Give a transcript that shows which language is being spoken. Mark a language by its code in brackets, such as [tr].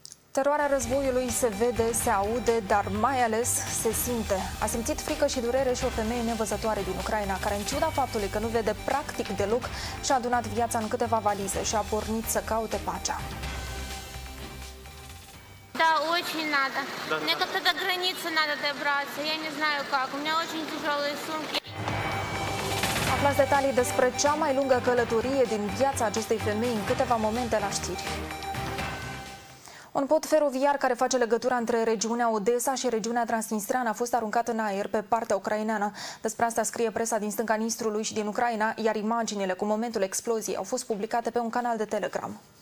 [ro] Teroarea războiului se vede, se aude, dar mai ales se simte. A simțit frică și durere și o femeie nevăzătoare din Ucraina, care în ciuda faptului că nu vede practic deloc, și-a adunat viața în câteva valize și a pornit să caute pacea. [ru] Da, очень надо. Мне как-то до границы надо добраться. Я не знаю как. У меня очень тяжёлые сумки. [ro] Aflați detalii despre cea mai lungă călătorie din viața acestei femei în câteva momente la știri. Un pod feroviar care face legătura între regiunea Odessa și regiunea Transnistreană a fost aruncat în aer pe partea ucraineană. Despre asta scrie presa din stânga Nistrului și din Ucraina, iar imaginile cu momentul exploziei au fost publicate pe un canal de Telegram.